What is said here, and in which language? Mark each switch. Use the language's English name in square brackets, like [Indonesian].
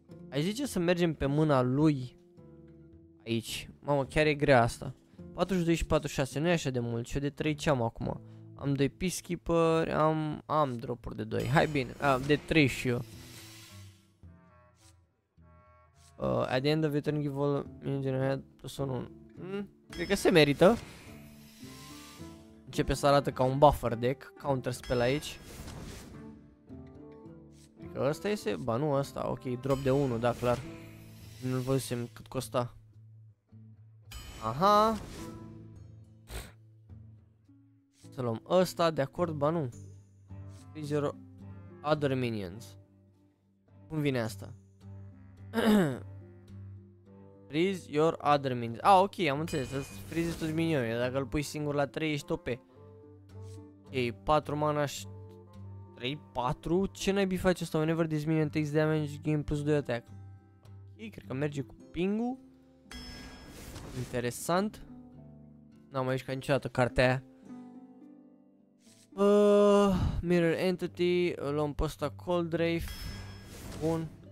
[Romanian] Ai zice să mergem pe mâna lui aici. Mamă, chiar e grea asta. 42 și 46, nu e așa de mult. Și eu de 3 ce am acum? Am 2 Peacekeeper, am drop-uri de 2, hai bine, de 3 și eu. [English] At the end of your turn, give all minions in head plus 1. [Romanian] Cred că se merită. Începe să arată ca un buffer deck, counter spell aici. Cred că ăsta este, ba nu ăsta, ok, drop de 1, da, clar. Nu-l văzusem cât costa. Aha. Să luăm ăsta, de acord, ba nu. [English] Freezer other minions. [Romanian] Cum vine asta? [English] Freeze your other minions. [Romanian] Ah, ok, am înțeles, să-ți freeze toți minionii. Dacă îl pui singur la 3, ești OP. Ok, 4 mana și 3, 4. Ce naibii face asta? [English] Whenever this minion takes damage, gain plus 2 attack. [Romanian] Ok, cred că merge cu ping-ul. Interesant. N-am mai ieșit niciodată cartea aia. Mirror Entity, luăm pe ăsta Cold Rave. Bun.